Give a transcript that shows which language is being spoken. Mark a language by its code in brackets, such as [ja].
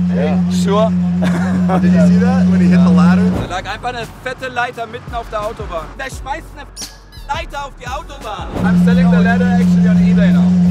[en] Did you see that when he hit the ladder? [de] Da lag einfach eine fette Leiter mitten auf der Autobahn. Der schmeißt eine Leiter auf die Autobahn. [en] I'm selling the ladder actually on eBay now.